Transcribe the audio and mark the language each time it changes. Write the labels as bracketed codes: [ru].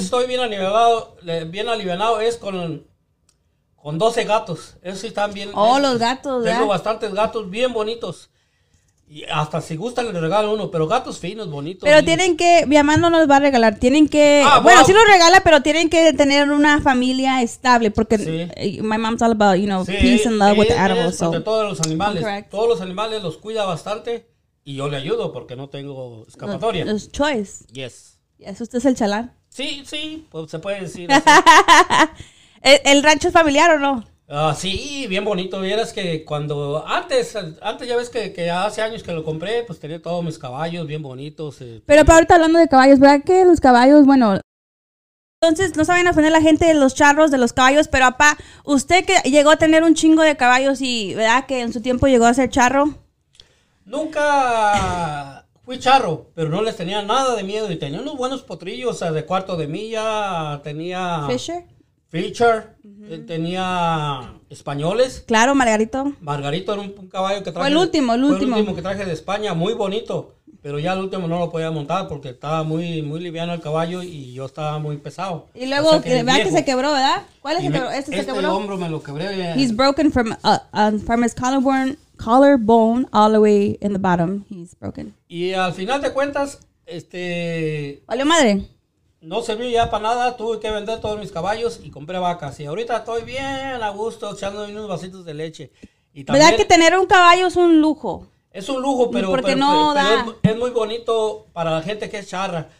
[es] Lo que sí estoy bien alivianado es con 12 gatos. Esos están bien... Oh, los gatos, ¿verdad? Tengo bastantes gatos bien bonitos. Y hasta si gustan le regalo uno, pero gatos finos, bonitos. Pero tienen que... Mi mamá no los va a regalar, tienen que... Ah, bueno, wow. Sí los regala, pero tienen que tener una familia estable, porque sí. [en] My mom's all about, you know, sí, peace and love with animals. [es] Sí, todos los animales. Todos los animales los cuida bastante, y yo le ayudo porque no tengo escapatoria. Los choice. [en] Yes. [es] Yes, ¿usted es el chalán? Sí, sí, pues se puede decir así. ¿El rancho es familiar o no? Sí, bien bonito. Vieras que cuando... Antes ya ves que hace años que lo compré, pues tenía todos mis caballos bien bonitos. Pero para ahorita, hablando de caballos, ¿verdad que los caballos, bueno... Entonces, no saben ofender a la gente de los charros, de los caballos, pero apá, usted que llegó a tener un chingo de caballos y, ¿verdad que en su tiempo llegó a ser charro? Nunca fui charro, pero no les tenía nada de miedo. Y tenía unos buenos potrillos, o sea, de cuarto de milla, tenía... Fisher, uh-huh. Tenía españoles. Claro, Margarito. Margarito era un caballo que traje. Fue el último. El último que traje de España, muy bonito. Pero ya el último no lo podía montar porque estaba muy, muy liviano el caballo y yo estaba muy pesado. Y luego, vean que se quebró, ¿verdad? ¿Cuál es el que se quebró? Este hombro me lo quebré. [en] He's broken from his collarbone all the way in the bottom. He's broken. [es] Y al final de cuentas, ¡valió madre! No serví ya para nada, tuve que vender todos mis caballos y compré vacas. Y ahorita estoy bien a gusto echándome unos vasitos de leche. Y también, ¿verdad que tener un caballo es un lujo? Es un lujo, pero es muy bonito para la gente que es charra.